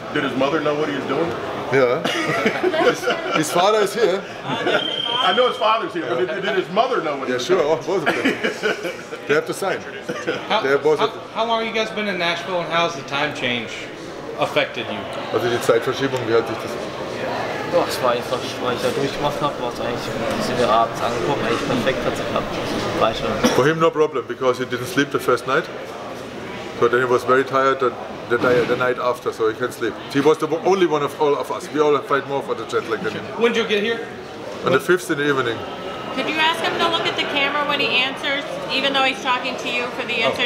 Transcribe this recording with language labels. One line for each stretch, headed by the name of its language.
English: Did his mother know what he was doing? Yeah. his father is here. I know his father's here, but did his mother know what he was sure. doing? Yeah, sure, both of them. They have to sign. How long have you guys been in Nashville and how has the time change affected you?
German: Also die Zeitverschiebung, wie hat sich das? Ja, es war einfach, weil ich da durchgemacht habe, war es eigentlich, sind wir abends angekommen, eigentlich perfekt hat es geklappt.
English: For him no problem, because he didn't sleep the first night. So then he was very tired the night after, so he can't sleep. He was the only one of all of us. We all fight more for the jet lag than him. When did you get here? On the 5th in the evening. Could you ask him to look at the camera when he answers, even though he's talking to you for the answer?